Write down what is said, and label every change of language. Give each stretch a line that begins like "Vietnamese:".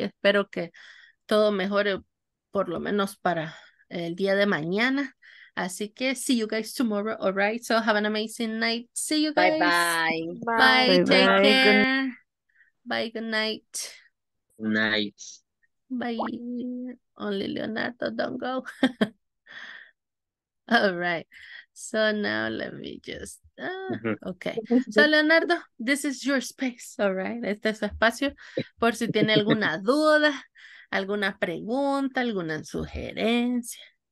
Spanish: Espero que todo mejore por lo menos para el día de mañana. Así que
English: see you guys tomorrow, all right? So have an amazing night. See you guys. Bye-bye. Bye. Take care. Bye. Good night. Good night. Bye. Only Leonardo, don't go. All right. So now let me just... okay. So Leonardo, this is your space, all right?
Spanish: Este es su espacio. Por si tiene alguna duda, alguna pregunta, alguna sugerencia.